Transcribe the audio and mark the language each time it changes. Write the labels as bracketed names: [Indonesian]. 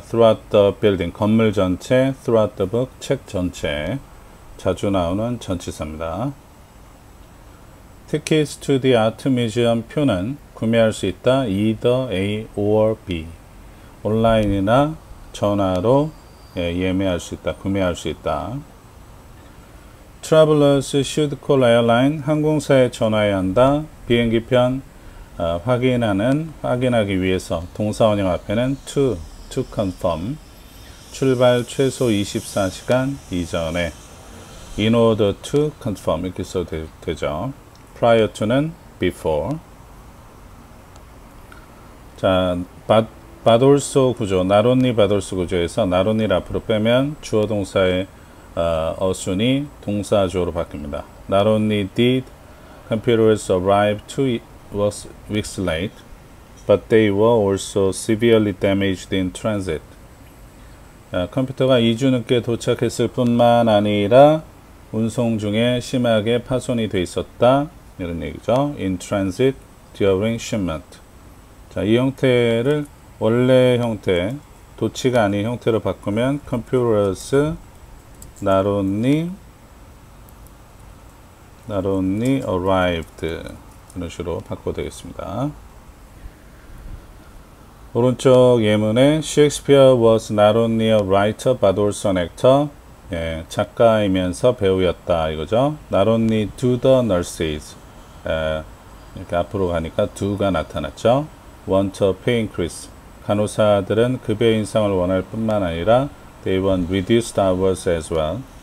[English] throughout the building, [Korean] 건물 전체, [English] throughout the book, [Korean] 책 전체. 자주 나오는 전치사입니다. [English] Tickets to the art museum [Korean] 표는 구매할 수 있다. [English] Either A or B. [Korean] 온라인이나 전화로 예매할 수 있다. 구매할 수 있다. [English] Travelers should call airline. [Korean] 항공사에 전화해야 한다. 비행기 편 확인하기 위해서 동사 원형 앞에는 [English] to confirm. [Korean] 출발 최소 24시간 이전에. [English] In order to confirm [Korean] 이렇게 써도 되죠. [English] Prior to는 before. [Korean] 자, but also 구조, [English] not only but also [Korean] 구조에서 not only 앞으로 빼면 주어 동사의 어순이 동사 주어로 바뀝니다. [English] Not only did computers arrive 2 weeks late, but they were also severely damaged in transit. [Korean] 자, 컴퓨터가 2주 늦게 도착했을 뿐만 아니라 운송 중에 심하게 파손이 돼 있었다. 이런 얘기죠. [English] In transit during shipment. [Korean] 자, 이 형태를 원래 형태, 도치가 아닌 형태로 바꾸면 [English] computers not only arrived. [Korean] 이런 식으로 바꿔 되겠습니다. 오른쪽 예문에 [English] Shakespeare was not only a writer but also an actor. [Korean] 예, 작가이면서 배우였다 이거죠. [English] Not only do the nurses [Korean] 이렇게 앞으로 가니까 do가 나타났죠. [English] Want a pay increase. [Korean] 간호사들은 급여 인상을 원할 뿐만 아니라 [English] they want reduced hours as well.